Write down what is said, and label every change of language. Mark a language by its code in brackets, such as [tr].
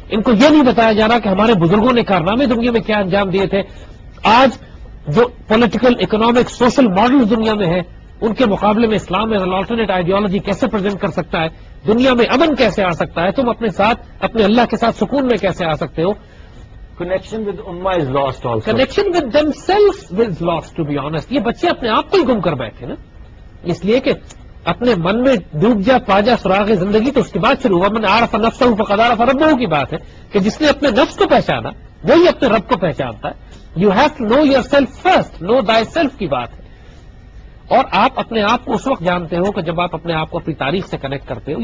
[ur] ان کو یہ نہیں بتایا جا رہا کہ ہمارے بزرگوں نے کارنامے دنیا میں کیا انجام دیے تھے، آج جو پولیٹیکل، اکنامک، سوشل ماڈل دنیا میں ہیں ان کے مقابلے میں [en] Islam as an alternate ideology [ur] کیسے پریزنٹ کر سکتا ہے، دنیا میں امن کیسے آ سکتا ہے، تم اپنے ساتھ، اپنے اللہ کے ساتھ سکون میں کیسے آ سکتے ہو. [en] Connection with Umma is lost also. Connection with themselves is lost, to be honest. [ur] یہ بچے اپنے آپ کو ہی گم کر بیٹھے نا، اس لیے کہ اپنے من میں ڈوب جا پا جا سراغ زندگی تو اس کے بعد شروع ہوا. [ar] من عرف نفسہ فقد عرف ربہ [ur] کی بات ہے کہ جس نے اپنے نفس کو پہچانا وہی اپنے رب کو پہچانتا ہے. [en] you have to know yourself first, know thyself [ur] کی بات ہے. اور آپ اپنے آپ کو اس وقت جانتے ہو کہ جب آپ اپنے آپ کو اپنی تاریخ سے کنیکٹ کرتے ہو.